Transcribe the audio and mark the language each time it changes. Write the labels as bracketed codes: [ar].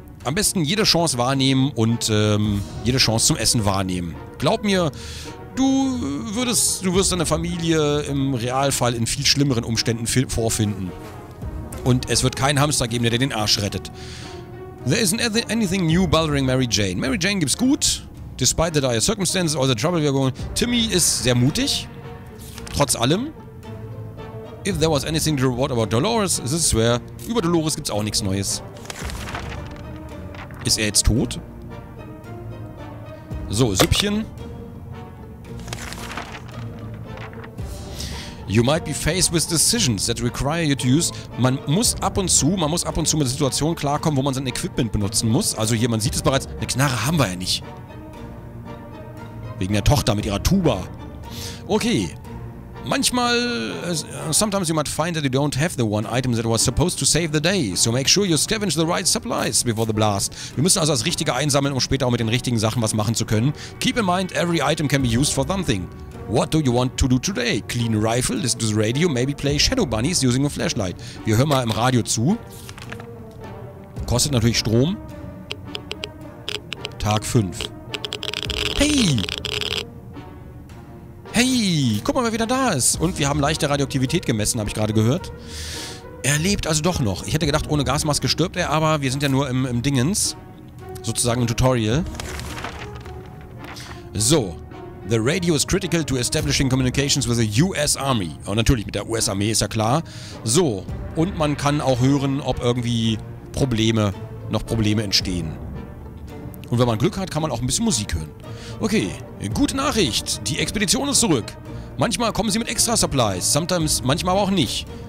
[de] Am besten jede Chance wahrnehmen und jede Chance zum Essen wahrnehmen. Glaub mir, du wirst deine Familie im Realfall in viel schlimmeren Umständen vorfinden. Und es wird keinen Hamster geben, der den Arsch rettet. [en] There isn't anything new bothering Mary Jane. [de] Mary Jane gibt's gut. [en] Despite the dire circumstances or the trouble we're going. [de] Timmy ist sehr mutig. Trotz allem. [en] If there was anything to report about Dolores, this is where. [de] Über Dolores gibt's auch nichts Neues. Ist er jetzt tot? So, Süppchen. [en] You might be faced with decisions that require you to use. [de] Man muss ab und zu mit Situationen klarkommen, wo man sein Equipment benutzen muss. Also hier, man sieht es bereits. Eine Knarre haben wir ja nicht. Wegen der Tochter mit ihrer Tuba. Okay. Manchmal, [en] sometimes you might find that you don't have the one item that was supposed to save the day. So make sure you scavenge the right supplies before the blast. [de] Wir müssen also das Richtige einsammeln, um später auch mit den richtigen Sachen was machen zu können. [en] Keep in mind, every item can be used for something. What do you want to do today? Clean a rifle, listen to the radio, maybe play Shadow Bunnies using a flashlight. [de] Wir hören mal im Radio zu. Kostet natürlich Strom. Tag 5. Hey! Hey, guck mal, wer wieder da ist. Und wir haben leichte Radioaktivität gemessen, habe ich gerade gehört. Er lebt also doch noch. Ich hätte gedacht, ohne Gasmaske stirbt er, aber wir sind ja nur im Dingens. Sozusagen im Tutorial. So. [en] The radio is critical to establishing communications with the US Army. [de] Und natürlich, mit der US-Armee ist ja klar. So. Und man kann auch hören, ob irgendwie noch Probleme entstehen. Und wenn man Glück hat, kann man auch ein bisschen Musik hören. Okay, gute Nachricht. Die Expedition ist zurück. Manchmal kommen sie mit extra Supplies, [en] sometimes, [de] manchmal aber auch nicht.